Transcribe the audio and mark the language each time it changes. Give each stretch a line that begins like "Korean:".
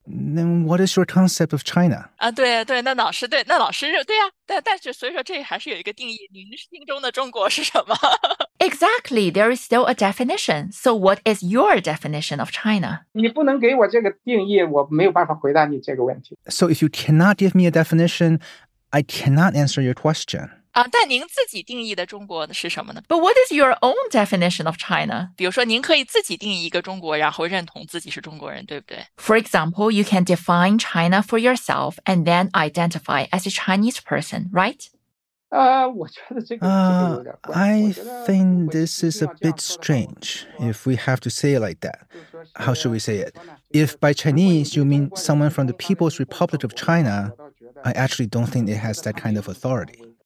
English: Then what is your concept of China?
Chinese: 对，那老师，对啊，但是所以说这还是有一个定义，您心中的中国是什么?
English: Exactly, there is still a definition. So what is your definition of China?
Chinese: 你不能给我这个定义，我没有办法回答你这个问题。
English: So if you cannot give me a definition, I cannot answer your question.
Chinese: 但您自己定义的中国是什么呢?
English: But what is your own definition of China?
Chinese: 比如说您可以自己定义一个中国,然后认同自己是中国人,对不对?
English: For example, you can define China for yourself and then identify as a Chinese person, right? I think this is a bit strange, if we have to say it like that. How should we say it? If by Chinese you mean someone from the People's Republic of China, I actually don't think it has that kind of authority.